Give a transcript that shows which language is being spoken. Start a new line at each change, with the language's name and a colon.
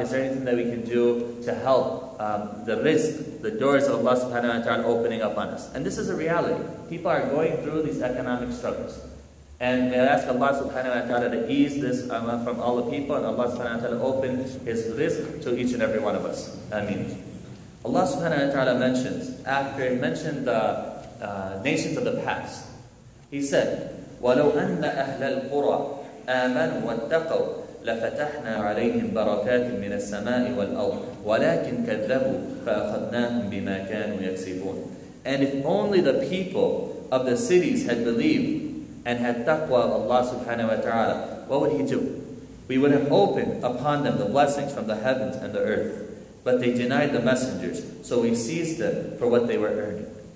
English: Is there anything that we can do to help the rizq, the doors of Allah subhanahu wa ta'ala opening up on us? And this is a reality. People are going through these economic struggles. And may I ask Allah subhanahu wa ta'ala to ease this from all the people, and Allah subhanahu wa ta'ala open His rizq to each and every one of us. Ameen. Allah subhanahu wa ta'ala mentions, after He mentioned the nations of the past, He said,
Arabic: وَلَوْ أَنَّ أَهْلَ الْقُرَىٰ آمَنُوا وَاتَّقَوْا لَفَتَحْنَا عَلَيْهِمْ بَرَكَاتٍ مِّنَ السَّمَاءِ وَالْأَرْضِ وَلَكِنْ كَذَّبُوا فَأَخَذْنَاهُمْ بِمَا كَانُوا يَكْسِبُونَ.
English: And if only the people of the cities had believed and had taqwa of Allah subhanahu wa ta'ala, what would He do? We would have opened upon them the blessings from the heavens and the earth. But they denied the messengers, so we seized them for what they were earning.